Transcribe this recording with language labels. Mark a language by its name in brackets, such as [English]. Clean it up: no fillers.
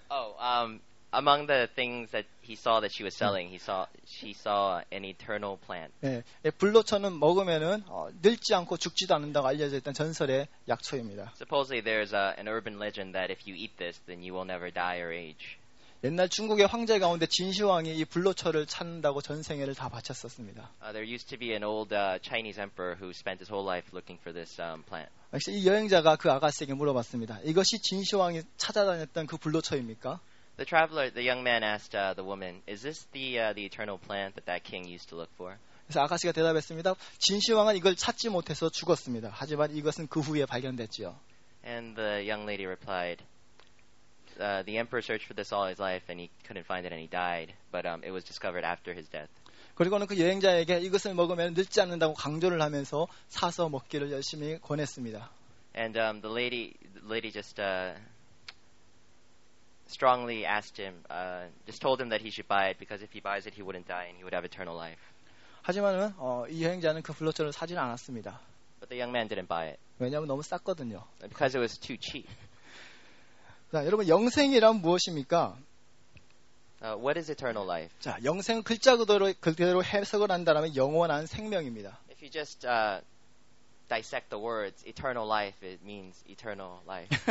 [English] Oh, among the things that he saw that she was selling, she saw an eternal plant. [Korean] 예, 불로초는 먹으면은 늙지 않고 죽지도 않는다고 알려져 있던 전설의 약초입니다. [English] Supposedly there's an urban legend that if you eat this, then you will never die or age. [Korean] 옛날 중국의 황제 가운데 진시황이 이 불로초를 찾는다고 전생애를 다 바쳤었습니다. [English] There used to be an old Chinese emperor who spent his whole life looking for this plant. [Korean] 이 여행자가 그 아가씨에게 물어봤습니다. 이것이 진시황이 찾아다녔던 그 불로초입니까? [English] The traveler, the young man asked the woman, "Is this the eternal plant that that king used to look for?" [Korean] 그래서 아가씨가 대답했습니다. 진시황은 이걸 찾지 못해서 죽었습니다. 하지만 이것은 그 후에 발견됐지요. [English] And the young lady replied, the emperor searched for this all his life and he couldn't find it and he died. But it was discovered after his death. [Korean] 그리고는 그 여행자에게 이것을 먹으면 늙지 않는다고 강조를 하면서 사서 먹기를 열심히 권했습니다. [English] And the lady just strongly asked him, just told him that he should buy it because if he buys it, he wouldn't die and he would have eternal life. [Korean] 하지만은 이 여행자는 그 불로초를 사지는 않았습니다. [English] But the young man didn't buy it. [Korean] 왜냐하면 너무 쌌거든요. [English] Because it was too cheap. [Korean] 자, 여러분 영생이란 무엇입니까? [English] What is eternal life? [Korean] 자, 영생 글자 그대로 해석을 한다면 영원한 생명입니다. [English] If you just dissect the words eternal life, it means eternal life.